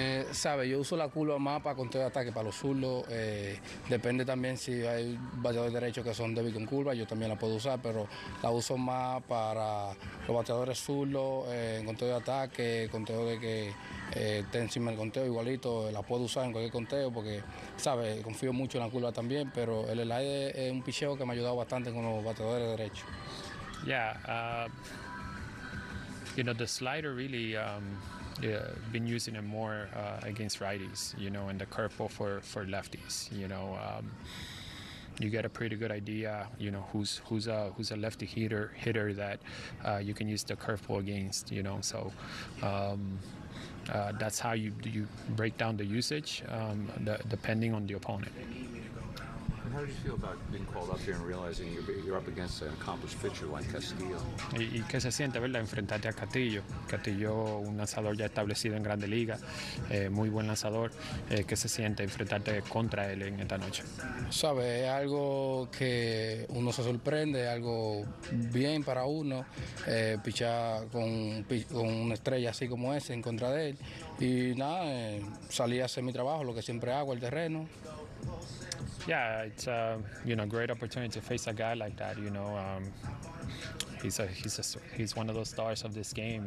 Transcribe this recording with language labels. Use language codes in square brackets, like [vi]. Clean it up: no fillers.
[es] Sabe, yo uso la curva más para control de ataque, para los zurdos. Depende también si hay bateadores derechos que son débiles con curva, yo también la puedo usar, pero la uso más para los bateadores zurdos, en control de ataque, control de que esté encima del conteo, igualito, la puedo usar en cualquier conteo, porque, sabe, confío mucho en la curva también, pero el slide es un picheo que me ha ayudado bastante con los bateadores derechos. [en] Yeah, you know, the slider really, been using it more against righties, you know, and the curveball for lefties, you know. You get a pretty good idea, you know, who's a lefty hitter that you can use the curveball against, you know. So that's how you break down the usage depending on the opponent. How do you feel about being called up here and realizing you're up against an accomplished pitcher like Castillo? [es] ¿Y qué se siente, verdad, enfrentarte a Castillo? Castillo, un lanzador ya establecido en Grande Liga, muy buen lanzador. ¿Qué se siente enfrentarte contra él en esta noche? Sabe, es algo que uno se sorprende, algo bien para uno, pichar con una estrella así como ese en contra de él. Y nada, salí a hacer mi trabajo, lo que siempre hago, el terreno. [en] Yeah, it's a you know, great opportunity to face a guy like that. You know, he's one of those stars of this game.